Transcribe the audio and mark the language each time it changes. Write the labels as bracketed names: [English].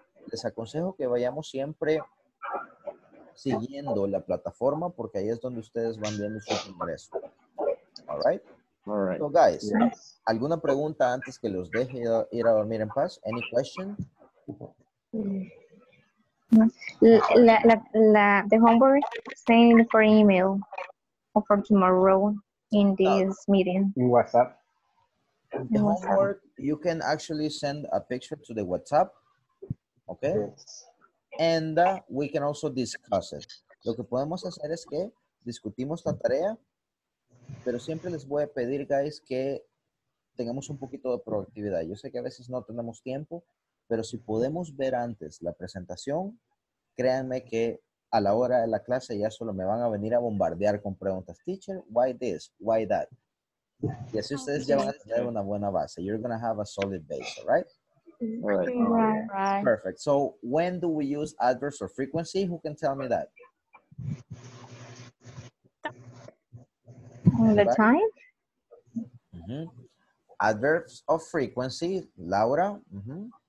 [Spanish] Les aconsejo que vayamos siempre siguiendo la plataforma, porque ahí es donde ustedes van viendo su progreso. [English] All right? All right. So, guys, yes. [Spanish] ¿Alguna pregunta antes que los deje ir a dormir en paz? [English] Any question? The homework send for email or for tomorrow. In this meeting. In WhatsApp. The homework, you can actually send a picture to the WhatsApp. Okay? Yes. And we can also discuss it. [Spanish] Lo que podemos hacer es que discutimos la tarea, pero siempre les voy a pedir, guys, que tengamos un poquito de productividad. Yo sé que a veces no tenemos tiempo, pero si podemos ver antes la presentación, créanme que a la hora de la clase ya solo me van a venir a bombardear con preguntas. [English] Teacher, why this? Why that? [Spanish] Y así ustedes ya van a tener una buena base. [English] You're going to have a solid base, all right? All right. Yeah. Right. Perfect. So when do we use adverbs or frequency? Who can tell me that? All the time? Mm-hmm. Adverbs of frequency, Laura. Mm-hmm.